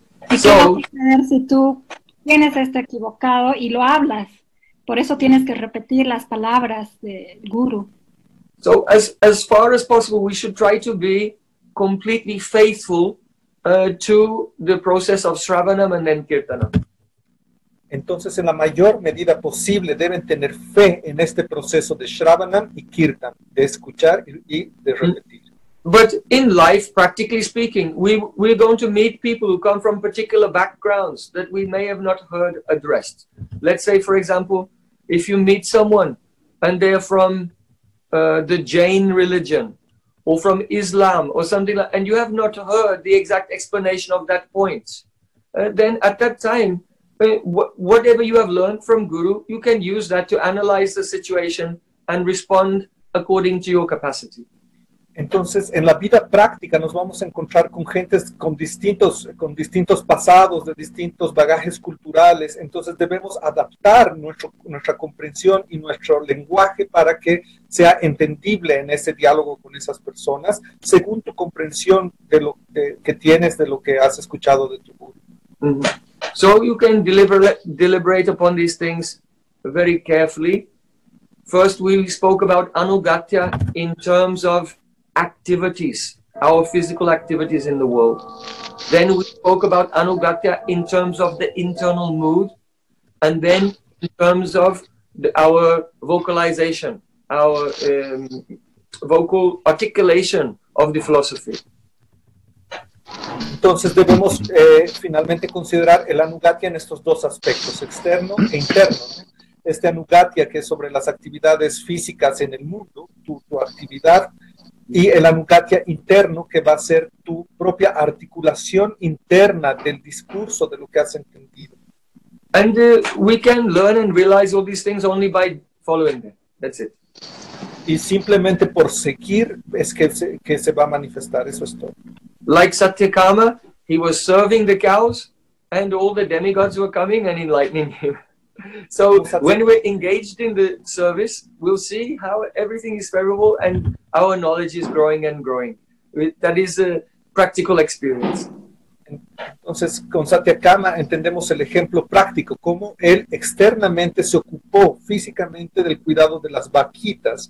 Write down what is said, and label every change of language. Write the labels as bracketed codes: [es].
[es] Y qué va a suceder si tú tienes este equivocado y lo hablas, por eso tienes que repetir las palabras del gurú. [en] So, as far as possible, we should try to be completely faithful to the process of Shravanam and then Kirtanam. [es] Entonces, en la mayor medida posible, deben tener fe en este proceso de Shravanam y Kirtan, de escuchar y de repetir. [en] But in life, practically speaking, we're going to meet people who come from particular backgrounds that we may have not heard addressed. Let's say, for example, if you meet someone and they're from the Jain religion, or from Islam, or something like, and you have not heard the exact explanation of that point, then at that time, whatever you have learned from Guru, you can use that to analyze the situation and respond according to your capacity. [es] Entonces, en la vida práctica, nos vamos a encontrar con gentes con distintos pasados, de distintos bagajes culturales. Entonces, debemos adaptar nuestra comprensión y nuestro lenguaje para que sea entendible en ese diálogo con esas personas, según tu comprensión de lo que tienes, de lo que has escuchado de tu gurú. [en] So you can deliberate upon these things very carefully. First, we spoke about anugatya in terms of activities, our physical activities in the world. Then we spoke about anugatya in terms of the internal mood, and then in terms of our vocalization, our vocal articulation of the philosophy. [es] Entonces debemos finalmente considerar el anugatya en estos dos aspectos, externo e interno. Este anugatya, que es sobre las actividades físicas en el mundo, tu actividad, y el anugatya interno, que va a ser tu propia articulación interna del discurso de lo que has entendido. [en] And we can learn and realize all these things only by following them. That's it. [es] Y simplemente por seguir es que se va a manifestar, eso es todo. [en] Like Satyakama, he was serving the cows and all the demigods were coming and enlightening him. So when we're engaged in the service, we'll see how everything is favorable and our knowledge is growing and growing. That is a practical experience. [es] Entonces, con Satyakama entendemos el ejemplo práctico, cómo él externamente se ocupó físicamente del cuidado de las vaquitas.